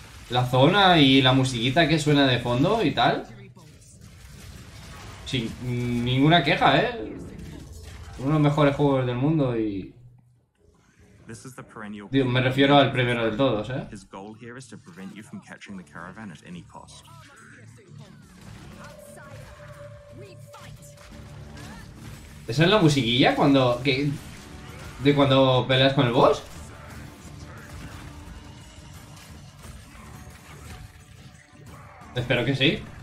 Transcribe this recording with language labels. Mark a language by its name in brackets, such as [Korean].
[Spanish] La zona y la musiquita que suena de fondo y tal. Sin ninguna queja, ¿eh? Uno de los mejores juegos del mundo y... [English] This is the perennial. [Spanish] Dios, me refiero al primero de todos, ¿eh? [English] His goal here is to prevent you from catching the caravan at any cost. [Spanish] ¿Esa es la musiquilla cuando que de cuando peleas con el boss? Espero que sí.